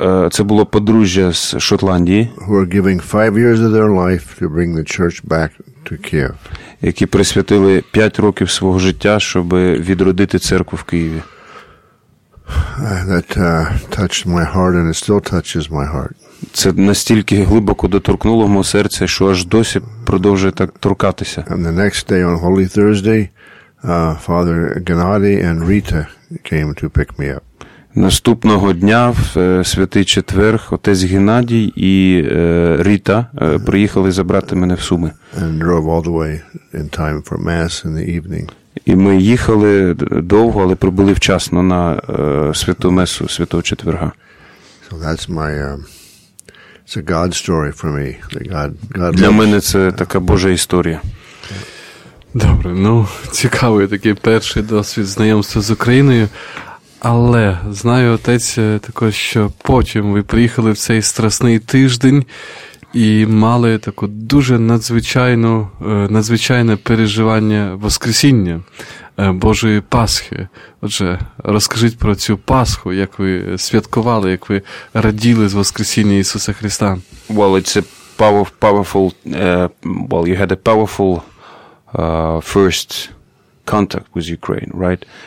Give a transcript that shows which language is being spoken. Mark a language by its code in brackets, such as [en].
[uk] Це було подружжя з Шотландії. [en] Who are giving 5 years of their life to bring the church back to Kiev. [uk] Які присвятили 5 років свого життя, щоб відродити церкву в Києві. [en] That touched my heart and it still touches my heart. [uk] Це настільки глибоко доторкнуло моє серце, що аж досі продовжує так торкатися. [en] And the next day on Holy Thursday, Father Gennady and Rita came to pick me up. [uk] Наступного дня, в Святий Четвер, отець Геннадій і Рита приїхали забрати мене в Суми. [en] And drove all the way in time for mass in the evening. [uk] І ми їхали довго, але прибули вчасно на святу месу Святого Четверга. [en] So that's my it's a God story for me. God [uk] для мене це така Божа історія. Добре, ну, цікавий такий перший досвід знайомства з Україною. Але знаю, отець, також, що потім ви приїхали в цей страсний тиждень і мали таку дуже надзвичайне переживання Воскресіння Божої Пасхи. Отже, розкажіть про цю Пасху, як ви святкували, як ви раділи з Воскресіння Ісуса Христа. [en] Well, it's a powerful well, you had a powerful first contact with Ukraine, right?